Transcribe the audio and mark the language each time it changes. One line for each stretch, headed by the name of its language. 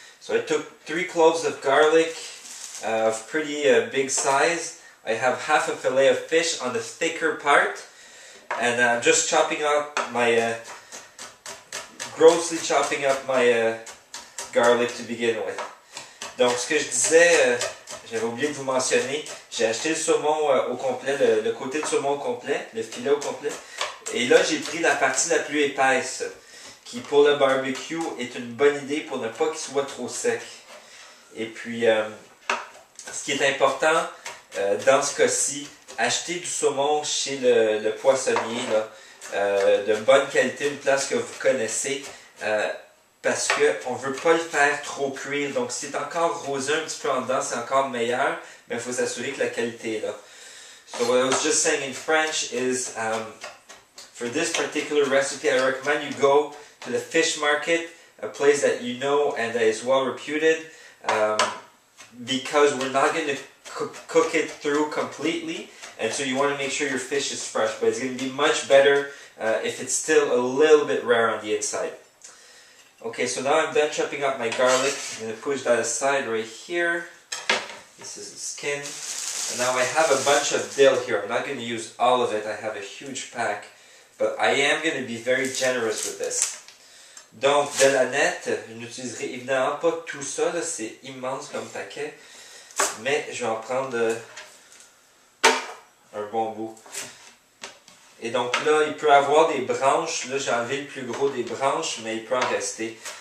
English: So I took 3 cloves of garlic of pretty big size. I have half a fillet of fish on the thicker part. And I'm just chopping up my... grossly chopping up my garlic to begin with.
French: Donc ce que je disais... J'avais oublié de vous mentionner, j'ai acheté le saumon au complet, le côté de saumon au complet, le filet au complet. Et là, j'ai pris la partie la plus épaisse, qui pour le barbecue est une bonne idée pour ne pas qu'il soit trop sec. Et puis, ce qui est important dans ce cas-ci, acheter du saumon chez le poissonnier, là, de bonne qualité, une place que vous connaissez, parce qu'on ne veut pas le faire trop cuire. Donc, si c'est encore rosé un petit peu en dedans, c'est encore meilleur. Mais il faut s'assurer que la qualité est là.
English: So, what I was just saying in French is, for this particular recipe, I recommend you go to the fish market, a place that you know and that is well reputed, because we're not going to cook it through completely. And so, you want to make sure your fish is fresh. But it's going to be much better if it's still a little bit rare on the inside. Okay, so now I'm done chopping up my garlic. I'm going to push that aside right here. This is the skin. And now I have a bunch of dill here. I'm not going to use all of it. I have a huge pack. But I am going to be very generous with this.
French: Donc, de la nette, je n'utiliserai évidemment pas tout ça. Là, c'est immense comme paquet. Mais je vais en prendre un bon bout. Et donc là, il peut avoir des branches. Là, j'ai enlevé le plus gros des branches, mais il peut en rester.